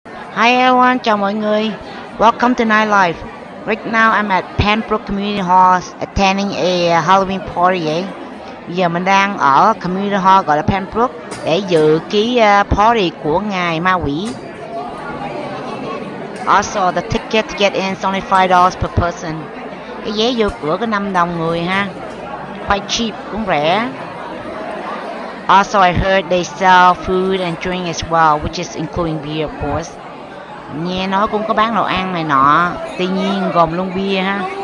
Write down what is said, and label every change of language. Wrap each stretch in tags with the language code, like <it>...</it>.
<en>Hi everyone,</en> <vi>chào mọi người.</vi> <en>Welcome to Night Life. Right now I'm at Penbrook Community Hall attending a Halloween party.</en> <vi>Bây giờ mình đang ở Community Hall gọi là Penbrook để dự cái party của ngài ma quỷ.</vi> <en>Also, the ticket to get in is only $5 per person.</en> <vi>Cái vé vô cửa có 5 đồng người ha.</vi> <en>Quite cheap,</en> <vi>cũng rẻ.</vi> <en>Also, I heard they sell food and drink as well, which is including beer, of course.</en> <vi>Nghe nói cũng có bán đồ ăn này nọ, tuy nhiên gồm luôn bia ha.</vi>